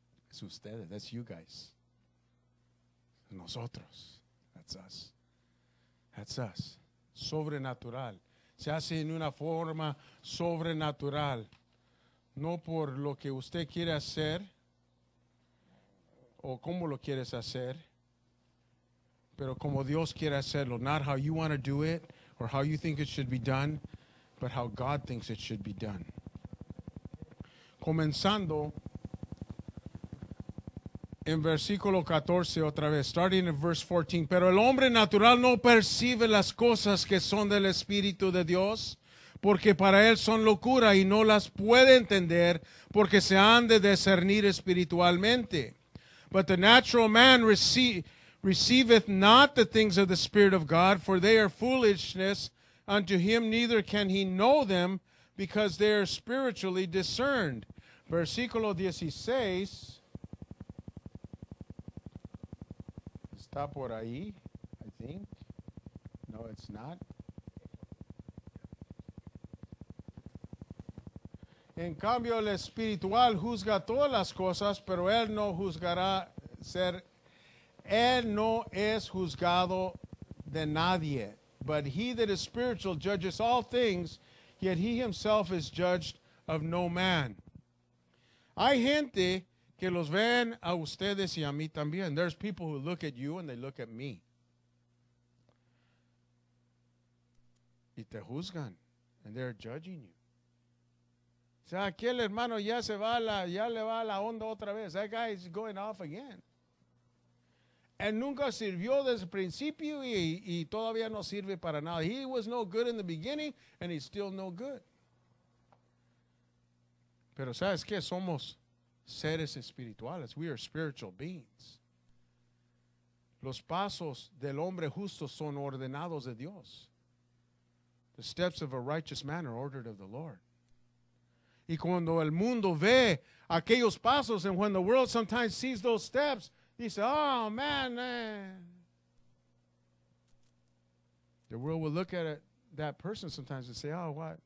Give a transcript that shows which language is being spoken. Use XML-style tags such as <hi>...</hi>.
<es>Es ustedes,</es> <en>that's you guys.</en> <es>Nosotros,</es> <en>that's us. That's us.</en> <es>Sobrenatural. Se hace en una forma sobrenatural. No por lo que usted quiere hacer o cómo lo quieres hacer, pero como Dios quiere hacerlo.</es> <en>Not how you want to do it or how you think it should be done, but how God thinks it should be done.</en> <es>Comenzando en versículo 14 otra vez,</es> <en>starting in verse 14.</en> <es>Pero el hombre natural no percibe las cosas que son del Espíritu de Dios, porque para él son locura y no las puede entender, porque se han de discernir espiritualmente.</es> <en>But the natural man receiveth not the things of the Spirit of God, for they are foolishness unto him, neither can he know them, because they are spiritually discerned.</en> <es>Versículo 16. Está por ahí,</es> <en>I think. No, it's not.</en> <es>En cambio, el espiritual juzga todas las cosas, pero él no juzgará ser. Él no es juzgado de nadie.</es> <en>But he that is spiritual judges all things, yet he himself is judged of no man.</en> <es>Hay gente que los ven a ustedes y a mí también.</es> <en>There's people who look at you and they look at me.</en> <es>Y te juzgan.</es> <en>And they're judging you.</en> <es>O sea, aquel hermano ya se va, ya le va la onda otra vez.</es> <en>That guy is going off again. And</en> <es>nunca sirvió desde el principio y todavía no sirve para nada.</es> <en>He was no good in the beginning and he's still no good.</en> <es>Pero ¿sabes qué? Somos seres espirituales.</es> <en>We are spiritual beings.</en> <es>Los pasos del hombre justo son ordenados de Dios.</es> <en>The steps of a righteous man are ordered of the Lord.</en> <es>Y cuando el mundo ve aquellos pasos,</es> <en>and when the world sometimes sees those steps, he says, oh man, the world will look at it, that person sometimes and say, oh, what?</en>